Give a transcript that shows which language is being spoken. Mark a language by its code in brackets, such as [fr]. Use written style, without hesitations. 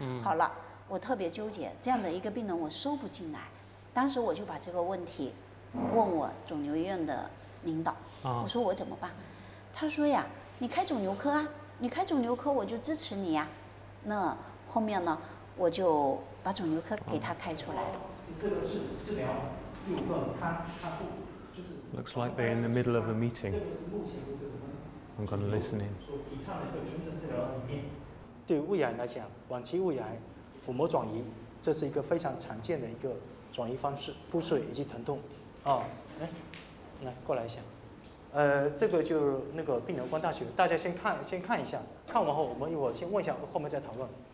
[zh] 好了，我特别纠结，这样的一个病人我收不进来，当时我就把这个问题问我肿瘤医院的领导，我说我怎么办，他说呀，你开肿瘤科啊，你开肿瘤科我就支持你呀。那后面呢，我就把肿瘤科给他开出来的。你这个是治疗右侧瘫痪部。 [en] Looks like they're in the middle of a meeting. I'm going to listen in. [zh] 对胃癌来讲，晚期胃癌腹膜转移，这是一个非常常见的一个转移方式，腹水以及疼痛。哦，来过来一下。这个就那个病人关大学，大家先看一下，看完后我们一会儿先问一下，后面再讨论。